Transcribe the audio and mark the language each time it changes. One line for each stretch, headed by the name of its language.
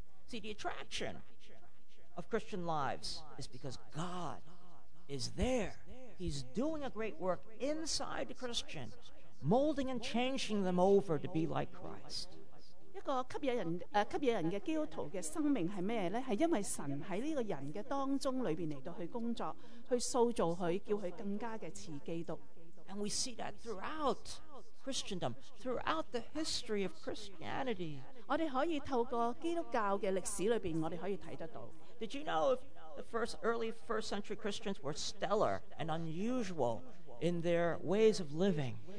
English: See the attraction of Christian lives is because God is there He's doing a great work inside the Christian molding and changing them over to be like Christ.
Chinese: 一个吸引人的基督徒的生命是什么呢?是因为神在这个人的当中里面来到去工作,去塑造他,叫他更加的似基督。
English: And we see that throughout Christendom, throughout the history of Christianity.
Chinese: 我们可以透过基督教的历史里面,我们可以看得到。
English: Did you know if the early first century Christians were stellar and unusual in their ways of living?